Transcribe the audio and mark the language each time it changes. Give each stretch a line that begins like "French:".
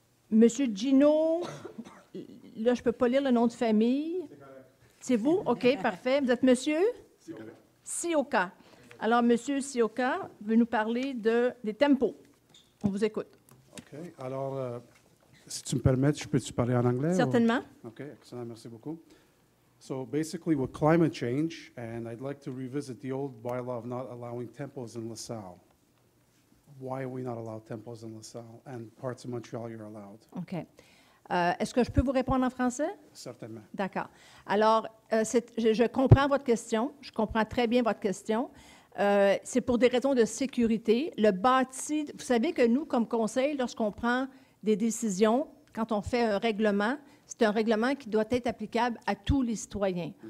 French: Monsieur Gino… Là, je ne peux pas lire le nom de famille. C'est correct. C'est vous? OK, parfait. Vous êtes monsieur? Sioka. Alors, monsieur Sioka veut nous parler des tempos. On vous écoute. OK. Alors, si tu me permets, je peux-tu parler en anglais? Certainement. OK, excellent. Merci beaucoup.
English: So, basically, with climate change, and I'd like to revisit the old bylaw of not allowing tempos in LaSalle. Why are we not allowed tempos in LaSalle? And parts of Montreal, you're allowed. OK.
French: Est-ce que je peux vous répondre en français? Certainement. D'accord. Alors, je comprends votre question. Je comprends très bien votre question. C'est pour des raisons de sécurité. Le bâti, vous savez que nous, comme conseil, lorsqu'on prend des décisions, quand on fait un règlement, c'est un règlement qui doit être applicable à tous les citoyens.